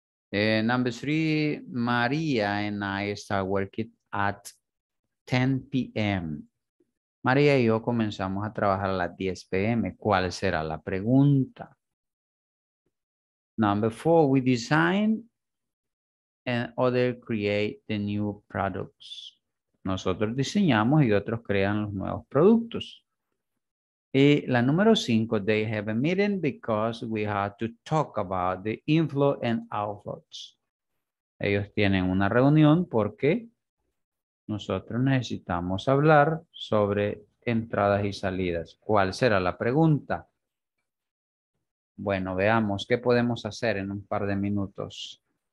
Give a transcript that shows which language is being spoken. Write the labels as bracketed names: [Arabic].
[English] Number 3, María and I start working at 10 p.m. [Spanish] María y yo comenzamos a trabajar a las 10 p.m. ¿Cuál será la pregunta? [English] Number 4, we design and others create the new products. [Spanish] Nosotros diseñamos y otros crean los nuevos productos. Y la número 5, [English] they have a meeting because we have to talk about the inflow and outflows. [Spanish] Ellos tienen una reunión porque nosotros necesitamos hablar sobre entradas y salidas. ¿Cuál será la pregunta? Bueno, veamos qué podemos hacer en un par de minutos.